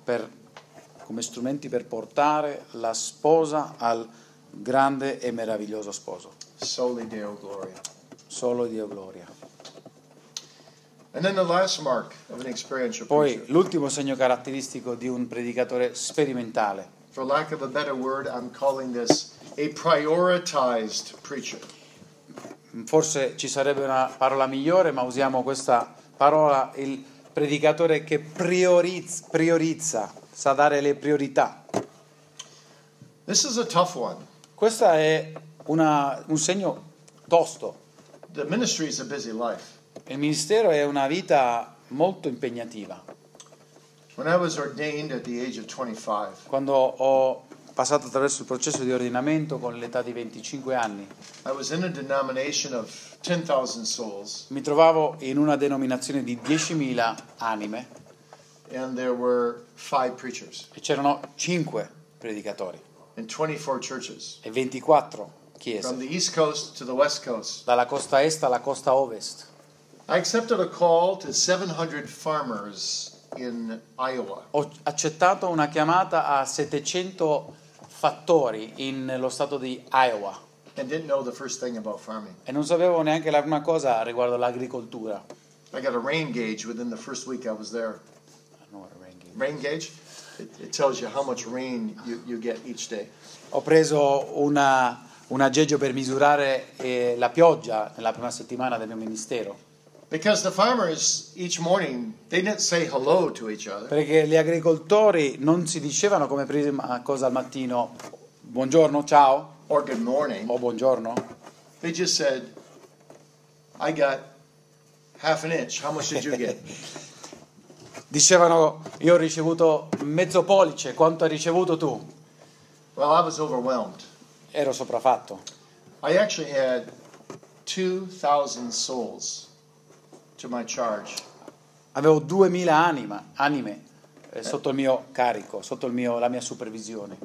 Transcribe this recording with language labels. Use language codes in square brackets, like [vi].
[it] Come strumenti per portare la sposa al grande e meraviglioso sposo. [la] Soli Deo Gloria. [it] Solo Dio Gloria. [en] And then the last mark of an experiential [it] Poi [en] preacher. [it] L'ultimo segno caratteristico di un predicatore sperimentale. [en] For lack of a better word, I'm calling this a prioritized preacher. [it] Forse ci sarebbe una parola migliore, ma usiamo questa parola, il predicatore che priorizza. Sa dare le priorità. [en] This is a tough one. [it] Questa è un segno tosto. [en] The ministry is a busy life. [it] Il ministero è una vita molto impegnativa. [en] When I was ordained at the age of 25. [it] Quando ho passato attraverso il processo di ordinamento con l'età di 25 anni. [en] I was in a denomination of 10,000 souls. [it] Mi trovavo in una denominazione di 10,000 anime. [en] And there were five preachers. [it] E c'erano 5 predicatori. [en] And 24 churches. [it] E 24 chiese. [en] From the east coast to the west coast. [it] Dalla costa est alla costa ovest. [en] I accepted a call to 700 farmers in Iowa. [it] Ho accettato una chiamata a 700 fattori nello stato di Iowa. [en] And didn't know the first thing about farming. [it] E non sapevo neanche la prima cosa riguardo l'agricoltura. [en] I got a rain gauge within the first week I was there. Rain gauge, it tells you how much rain you get each day. [it] Ho preso un aggeggio per misurare la pioggia nella prima settimana del mio ministero. [en] Because the farmers each morning they didn't say hello to each other. [it] Perché gli agricoltori non si dicevano come prima cosa al mattino, buongiorno, ciao. [en] Or good morning. [it] O buongiorno. [en] They just said, I got half an inch. How much did you get? [it] Dicevano, io ho ricevuto mezzo pollice, quanto hai ricevuto tu? [en] Well, I was overwhelmed. [it] Ero sopraffatto. [en] I actually had 2,000 souls to my charge. [it] Avevo 2,000 anime sotto il mio carico, sotto la mia supervisione.